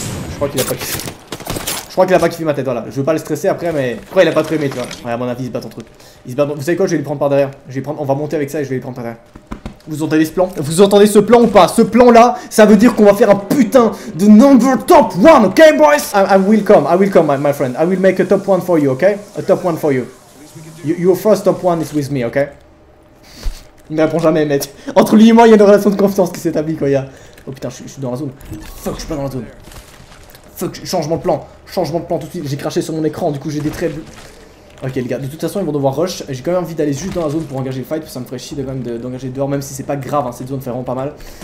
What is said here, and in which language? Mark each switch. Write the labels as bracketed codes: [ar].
[fr] Je crois qu'il a pas kiffé ma tête, voilà. Je veux pas le stresser après, mais je crois qu'il a pas trop aimé, tu vois. Ouais, à mon avis, ils se battent entre eux. Vous savez quoi, je vais les prendre par derrière. On va monter avec ça et je vais les prendre par derrière. Vous entendez ce plan? Vous entendez ce plan ou pas? Ce plan-là, ça veut dire qu'on va faire un putain de number top one, ok, boys? [en] I will come, my friend. I will make a top one for you, ok? A top one for you. Your first top one is with me, ok? [fr] Il ne répond jamais, mec. Entre lui et moi, il y a une relation de confiance qui s'établit, quoi, y'a. Oh putain, je suis dans la zone. Fuck, je suis pas dans la zone. Fuck, changement de plan. Changement de plan tout de suite. J'ai craché sur mon écran, du coup, j'ai des traits. Ok, les gars, de toute façon, ils vont devoir rush. J'ai quand même envie d'aller juste dans la zone pour engager le fight, parce que ça me ferait chier de quand même d'engager dehors, même si c'est pas grave, hein, cette zone fait vraiment pas mal.